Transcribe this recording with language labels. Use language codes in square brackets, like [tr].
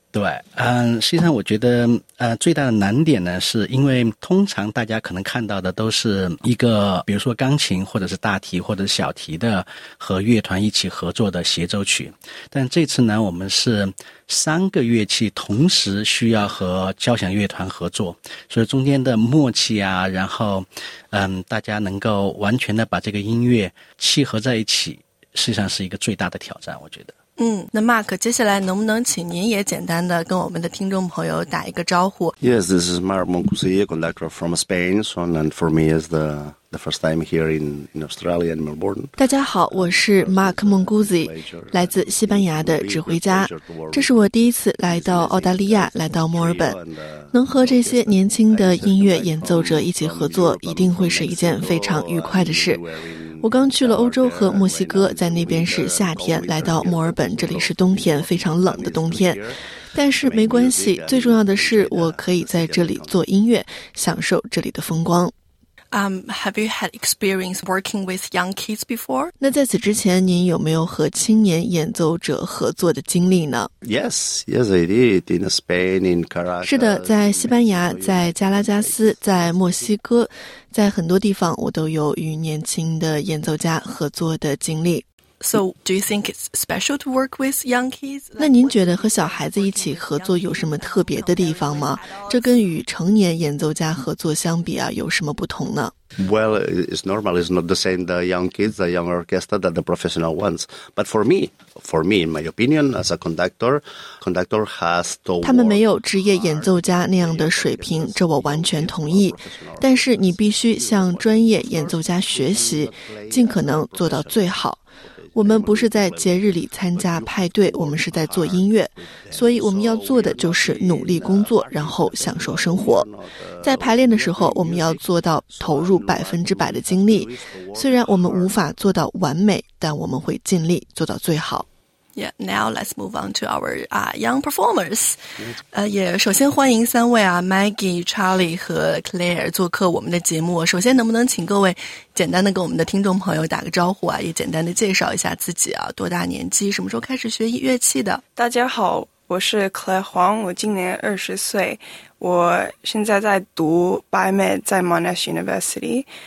[zh] 对，实际上我觉得最大的难点呢，是因为通常大家可能看到的都是一个比如说钢琴或者是大提或者是小提的和乐团一起合作的协奏曲，但这次呢我们是三个乐器同时需要和交响乐团合作，所以中间的默契啊，然后大家能够完全的把这个音乐契合在一起，实际上是一个最大的挑战，我觉得。那 Mark 接下来能不能请您也简单的跟我们的听众朋友打一个招呼？ [en] Yes, this is Mark Moncusi, conductor from Spain, so, and for me is the first time here in Australia in Melbourne. [zh] 大家好，我是 Mark Moncusi, 来自西班牙的指挥家，这是我第一次来到澳大利亚，来到墨尔本，能和这些年轻的音乐演奏者一起合作一定会是一件非常愉快的事。我刚去了欧洲和墨西哥，在那边是夏天，来到墨尔本，这里是冬天，非常冷的冬天。但是没关系，最重要的是我可以在这里做音乐，享受这里的风光。 [en] Have you had experience working with young kids before? [zh] 那在此之前，您有没有和青年演奏者合作的经历呢？ [en] Yes, yes, I did. In Spain, in Caracas. [zh] 是的，在西班牙，在加拉加斯，在墨西哥，在很多地方，我都有与年轻的演奏家合作的经历。 [en] So, do you think it's special to work with young kids? [zh] 那您觉得和小孩子一起合作有什么特别的地方吗？这跟与成年演奏家合作相比啊，有什么不同呢？ [en] Well, it's normal. It's not the same the young kids, the young orchestra, that the professional ones. But for me, in my opinion, as a conductor has to. [zh] 他们没有职业演奏家那样的水平，这我完全同意。但是你必须向专业演奏家学习，尽可能做到最好。我们不是在节日里参加派对，我们是在做音乐，所以我们要做的就是努力工作，然后享受生活。在排练的时候，我们要做到投入100%的精力，虽然我们无法做到完美，但我们会尽力做到最好。 [en] Yeah, now let's move on to our young performers. [zh] 首先欢迎三位Maggie, Charlie 和 Claire 做客我们的节目。首先能不能请各位简单的跟我们的听众朋友打个招呼也简单的介绍一下自己多大年纪，什么时候开始学乐器的？大家好，我是 Claire Huang, 我今年20岁，我现在在读 Biomed 在 Monash University。